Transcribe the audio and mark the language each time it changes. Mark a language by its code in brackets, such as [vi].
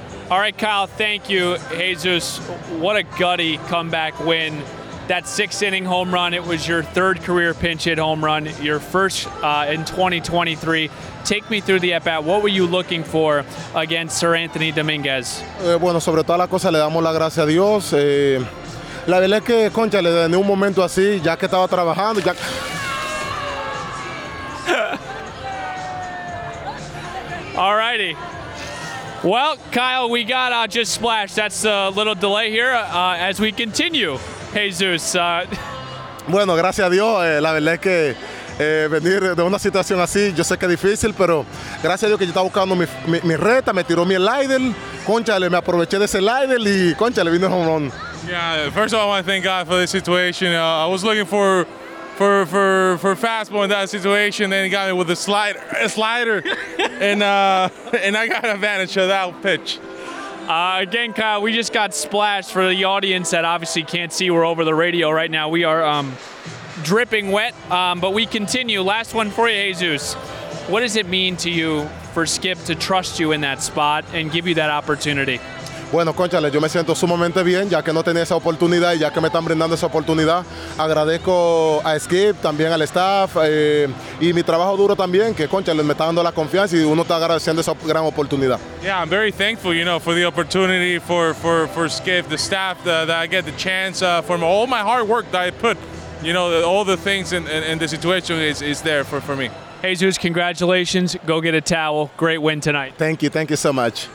[en] All right, Kyle, thank you. Jesus, what a gutty comeback win. That six-inning home run, it was your third career pinch-hit home run, your first in 2023. Take me through the at-bat. What were you looking for against Sir Anthony Dominguez? [es] Bueno, sobre todas las cosas, le damos la gracia a Dios. La verdad es que, concha, le en un momento así, ya que estaba trabajando, ya... [en] All righty. Well, Kyle, we got just splashed. That's a little delay here as we continue. Jesus. [es] Bueno, gracias a Dios. La verdad es que... venir de una situación así, yo sé que es difícil, pero gracias a Dios que yo estaba buscando mi reta, me tiró mi slider, conchale, me aproveché de ese slider y conchale, vino el home run. [en] Yeah, first of all, I want to thank God for this situation. I was looking for fastball in that situation, then he got me with a slider, and I got advantage of that pitch. Again, Kyle, we just got splashed. For the audience that obviously can't see, we're over the radio right now. We are... dripping wet, but we continue. Last one for you, Jesus. What does it mean to you for Skip to trust you in that spot and give you that opportunity? [es] Bueno, conchale, yo me siento sumamente bien, ya que no tenía esa oportunidad y ya que me están brindando esa oportunidad. Agradezco a Skip, también al staff, y mi trabajo duro también, que conchale, me está dando la confianza y uno está agradeciendo esa gran oportunidad. [en] Yeah, I'm very thankful, for the opportunity for Skip, the staff, that I get the chance from all my hard work that I put. All the things in the situation is there for me. Jesus, congratulations. Go get a towel. Great win tonight. Thank you. Thank you so much.